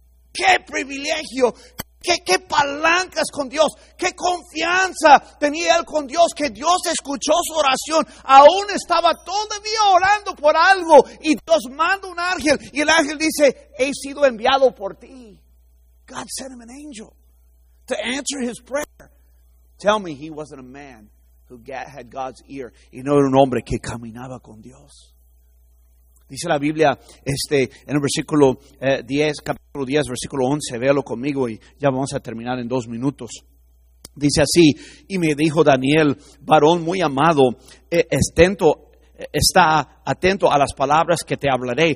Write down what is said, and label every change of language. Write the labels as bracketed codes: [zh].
[es] ¡Qué privilegio! ¡Qué palancas con Dios! ¡Qué confianza tenía él con Dios! ¡Que Dios escuchó su oración! Aún estaba todavía orando por algo, y Dios manda un ángel, y el ángel dice: ¡He sido enviado por ti! [en] God sent him an angel to answer his prayer. Tell me he wasn't a man who had God's ear. [es] Y no era un hombre que caminaba con Dios. Dice la Biblia en el versículo 10, capítulo 10, versículo 11. Véalo conmigo y ya vamos a terminar en 2 minutos. Dice así: y me dijo Daniel, varón muy amado, está atento a las palabras que te hablaré.